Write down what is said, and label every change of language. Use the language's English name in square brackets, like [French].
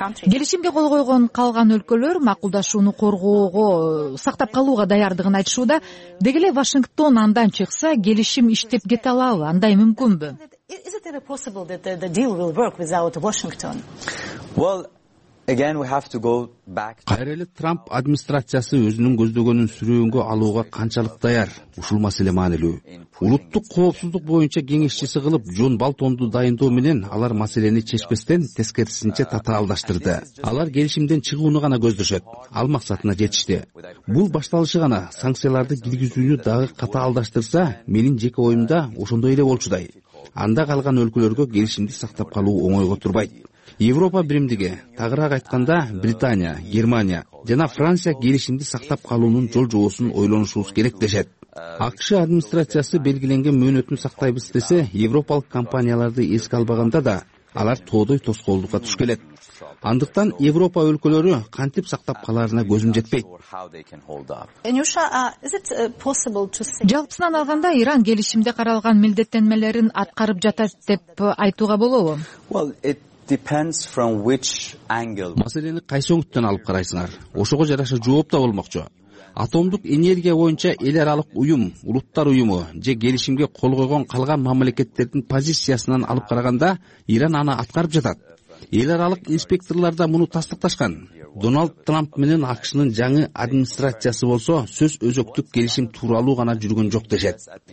[Kyrgyz] Келишимге кол койгон калган өлкөлөр макулдашууну коргоого, сактап калууга даярдыгын айтышууда. Деги эле Вашингтон андан чыкса, келишим иштеп кете алабы? Андай мүмкүнбү? [English] Is it possible that the deal will work without Washington? Again, we have to go back. [Kyrgyz] Кайра эле Трамп администрациясы өзүнүн көздөгөнүн сүрөөнгө алууга канчалык даяр? Ушул маселе маанилүү. Улуттук коопсуздук боюнча кеңешчиси кылып Джон Болтонду дайындоо менен алар маселени чечпестен тескерисинче татаалдаштырды. Алар келишимден чыгууну гана көздөшөт. Ал максатына жетишти. Бул башталышы гана санкцияларды киргизүүнү дагы катаалдаштырса, менин жеке оюмда ошондой эле болчудай. Анда калган өлкөлөргө келишимди сактап калуу оңойго турбайт. Европа биримдиги, тагыраак айтканда Британия, Германия жана Франция келишимди сактап калуунун жол жоосун ойлонушубуз керек дешет. АКШ администрациясы белгиленген мөөнөтүн сактайбыз десе, европалык компанияларды эске албаганда да алар тоодой тоскоолдукка туш келет. Андыктан Европа өлкөлөрү кантип сактап каларына көзүм жетпейт. Жалпысынан алганда Иран келишимде каралган милдеттенмелерин аткарып жатат деп айтууга болобу? [English] Depends from which angle. [Kyrgyz] Маселени кайсы өңүттөн алып карайсыңар? Ошого жараша жооп да болмокчу. Атомдук энергия боюнча эл аралык уюм, улуттар уюму же келишимге кол койгон калган мамлекеттердин позициясынан алып караганда, Иран аны аткарып жатат. Эл аралык инспекторлор да муну тастыкташкан. Дональд Трамп менен АКШнын жаңы администрациясы болсо, сөз өзөктүк келишим тууралуу гана жүргөн жок дешет.